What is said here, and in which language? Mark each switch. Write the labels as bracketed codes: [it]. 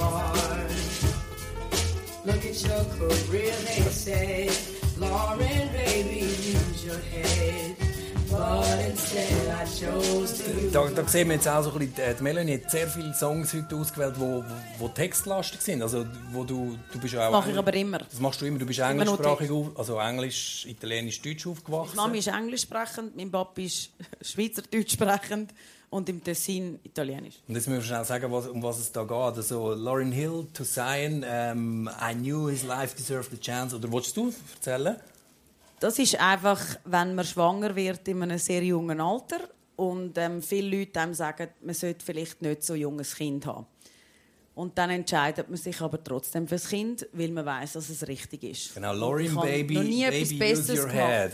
[en] But everybody told me to be smart. Look at your career, they say. Lauren, baby, use your head. But instead, I chose to use your mind. [de] Melanie hat sehr viele Songs heute ausgewählt, wo textlastig sind. Also, wo du bist auch, das mache ich aber immer. Das machst du immer. Du bist englischsprachig, also englisch, italienisch, deutsch aufgewachsen. Meine Mami ist englischsprachend, mein Papi ist schweizerdeutsch sprechend. Und im Tessin italienisch. Und jetzt müssen wir schnell sagen, um was es da geht. [en] Also Lauryn Hill, To Zion, I knew his life deserved a chance. [de] Oder willst du erzählen? Das ist einfach, wenn man schwanger wird in einem sehr jungen Alter und viele Leute sagen, man sollte vielleicht nicht so ein junges Kind haben. Und dann entscheidet man sich aber trotzdem fürs Kind, weil man weiß, dass es richtig ist. [en] Genau, Lauryn, Baby, Baby, use your head.